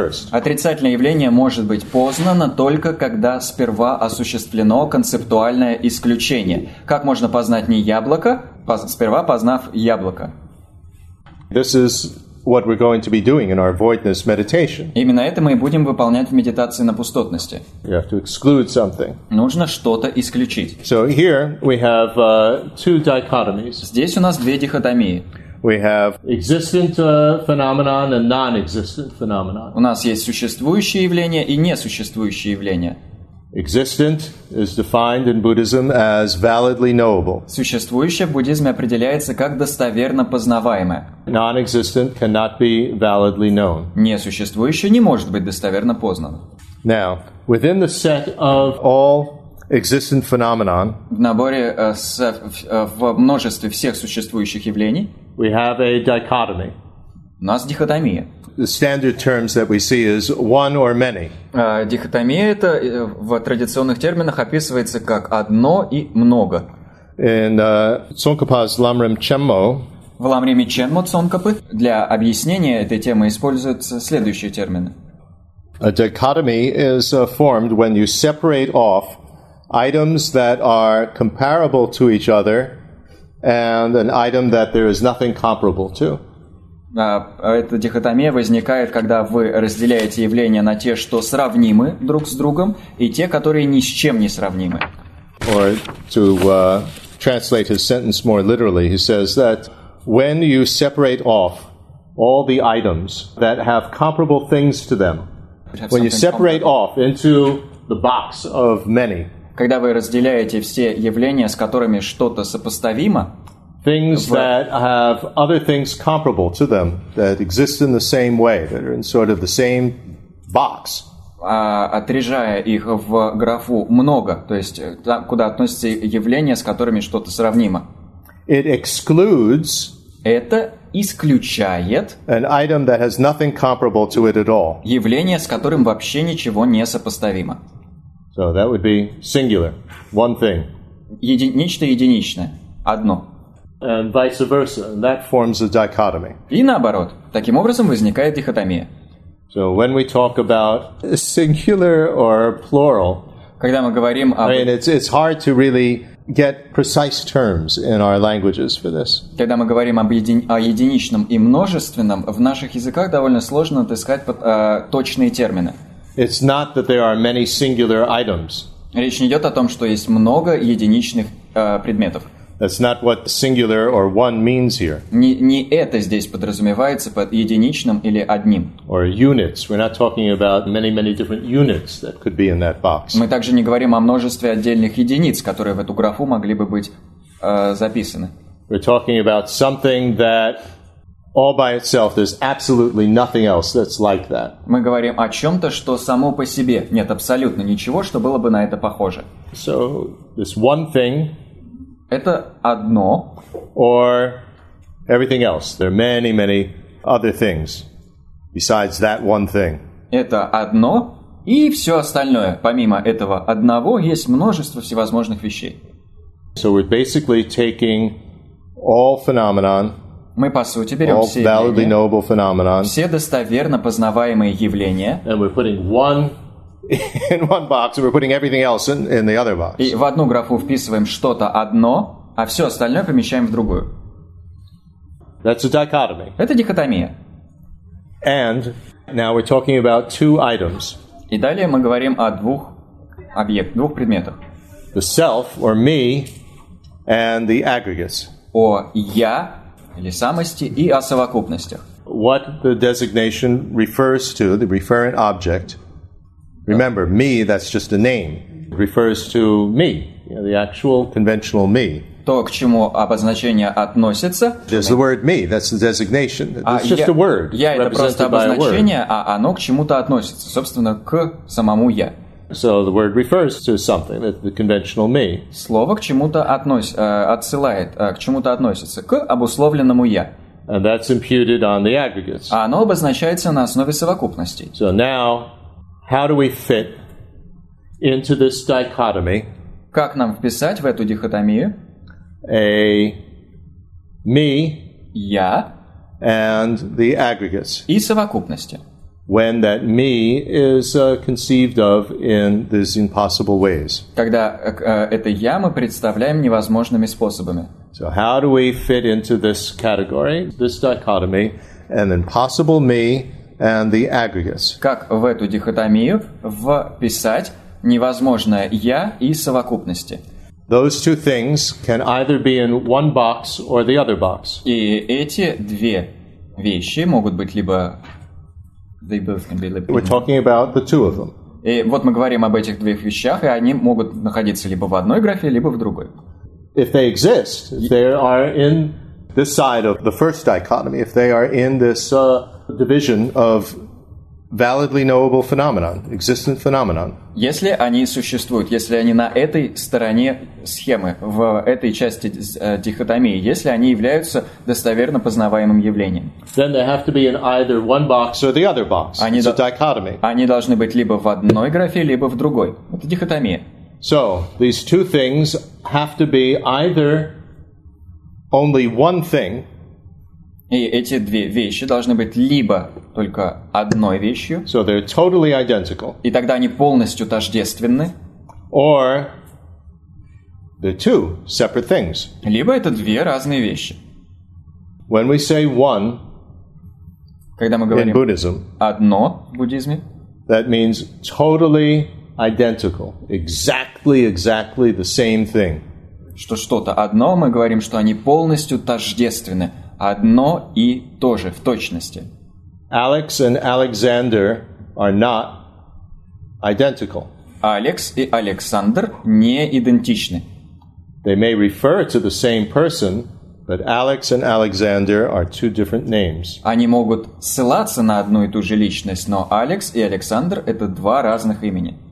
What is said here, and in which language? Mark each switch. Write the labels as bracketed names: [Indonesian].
[Russian] Отрицательное явление может быть познано только когда сперва осуществлено концептуальное исключение. Как можно познать не яблоко, сперва познав яблоко? [English] This is what we're going to be doing in our voidness meditation. [Russian] Именно это мы и будем выполнять в медитации на пустотности. [English] You have to exclude something. [Russian] Нужно что-то исключить. [English] So here we have two dichotomies. [Russian] Здесь у нас две дихотомии. [English] We have existent phenomenon and non-existent phenomenon. [Russian] У нас есть существующее явление и несуществующее явление. [English] Existent is defined in Buddhism as validly knowable. [Russian] Существующее в буддизме определяется как достоверно познаваемое. [English] Non-existent cannot be validly known. [Russian] Несуществующее не может быть достоверно познано. [English] Now, within the set of all existent phenomena, [Russian] в наборе в множестве всех существующих явлений, [English] we have a dichotomy. [Russian] У нас дихотомия. [English] The standard terms that we see is one or many. [Russian] Дихотомия это в традиционных терминах описывается как одно и много. [English] In Tsongkhapa's Lamrim Chenmo, [Russian] в Ламриме Ченмо Цонкапы для объяснения этой темы используются следующие термины. [English] A dichotomy is formed when you separate off items that are comparable to each other and an item that there is nothing comparable to. [Russian] Эта дихотомия возникает, когда вы разделяете явления на те, что сравнимы друг с другом, и те, которые ни с чем не сравнимы. [English] Or to translate his sentence more literally, he says that when you separate off all the items that have comparable things to them, when you separate off into the box of many, [Russian] когда вы разделяете все явления, с которыми что-то сопоставимо, [English] things that have other things comparable to them that exist in the same way, that are in sort of the same box. [Russian] Отрежая их в графу много, то есть там, куда относятся явления, с которыми что-то сравнимо. [English] It excludes. [Russian] Это исключает. [English] An item that has nothing comparable to it at all. [Russian] Явление, с которым вообще ничего не сопоставимо. [English] So that would be singular, one thing. [Russian] Единичное, единичное, одно. [English] And vice versa, and that forms a dichotomy. [Russian] И наоборот, таким образом возникает дихотомия. [English] So when we talk about singular or plural, [Russian] когда мы говорим об, [English] I mean, it's hard to really get precise terms in our languages for this. [Russian] Когда мы говорим об о единичном и множественном, в наших языках довольно сложно отыскать точные термины. [English] It's not that there are many singular items. [Russian] Речь не идет о том, что есть много единичных предметов. [English] That's not what singular or one means here. [Russian] Не это здесь подразумевается под единичным или одним. [English] Or units. We're not talking about many, many different units that could be in that box. [Russian] Мы также не говорим о множестве отдельных единиц, которые в эту графу могли бы быть записаны. [English] We're talking about something that all by itself, there's absolutely nothing else that's like that. [Russian] Мы говорим о чем-то, что само по себе нет абсолютно ничего, что было бы на это похоже. [English] So this one thing. [Russian] Это одно. [English] Or everything else. There are many, many other things besides that one thing. [Russian] Это одно и все остальное. Помимо этого одного есть множество всевозможных вещей. [English] So we're basically taking all phenomena. [Russian] Мы, по сути, берем [English] all [Russian] все [English] validly knowable phenomena. [Russian] Все достоверно познаваемые явления. [English] And we're putting one in one box, we're putting everything else in the other box. [Russian] И в одну графу вписываем что-то одно, а все остальное помещаем в другую. [English] That's a dichotomy. [Russian] Это дихотомия. [English] And now we're talking about two items. [Russian] И далее мы говорим о двух объектах, двух предметах. [English] The self, or me, and the aggregates. [Russian] О я, или самости, и о совокупностях. [English] What the designation refers to, the referent object. Remember, me, that's just a name. It refers to me, you know, the actual conventional me. [Russian] То, к чему обозначение относится. [English] There's the word me, that's the designation. It's just a word. [Russian] Я — это просто обозначение, а оно к чему-то относится. Собственно, к самому я. [English] So the word refers to something, the conventional me. [Russian] Слово к чему-то отсылает, к чему-то относится, к обусловленному я. [English] And that's imputed on the aggregates. [Russian] А оно обозначается на основе совокупностей. [English] So now, how do we fit into this dichotomy? [Russian] Как нам вписать в эту дихотомию? [English] A me, [Russian] я, [English] and the aggregates. [Russian] И совокупности. [English] When that me is conceived of in these impossible ways. [Russian] Когда это я мы представляем невозможными способами. [English] So how do we fit into this category, this dichotomy, an impossible me and the aggregates? [Russian] Как в эту дихотомию вписать невозможное я и совокупности? [English] Those two things can either be in one box or the other box. [Russian] И эти две вещи могут быть либо... [English] They both can be [Russian] либо... [English] We're talking about the two of them. [Russian] И вот мы говорим об этих двух вещах, и они могут находиться либо в одной графе, либо в другой. [English] If they exist, if they are in this side of the first dichotomy, if they are in this division of validly knowable phenomenon, existent phenomenon. [Russian] Если они существуют, если они на этой стороне схемы, в этой части дихотомии, если они являются достоверно познаваемым явлением. [English] Then they have to be in either one box or the other box. It's a dichotomy. [Russian] Они должны быть либо в одной графе, либо в другой. Это дихотомия. [English] So, these two things have to be either only one thing. [Russian] И эти две вещи должны быть либо только одной вещью. [English] So they're totally identical. [Russian] И тогда они полностью тождественны. [English] Or they're two separate things. [Russian] Либо это две разные вещи. [English] When we say one, [Russian] когда мы говорим [English] in Buddhism, [Russian] одно в буддизме, [English] that means totally identical, exactly the same thing. [Russian] Что что-то одно, мы говорим, что они полностью тождественны. Одно и то же, в точности. [English] Alex and Alexander are not identical. [Russian] Алекс и Александр не идентичны. [English] They may refer to the same person, but Alex and Alexander are two different names. [Russian] Они могут ссылаться на одну и ту же личность, но Алекс и Александр — это два разных имени.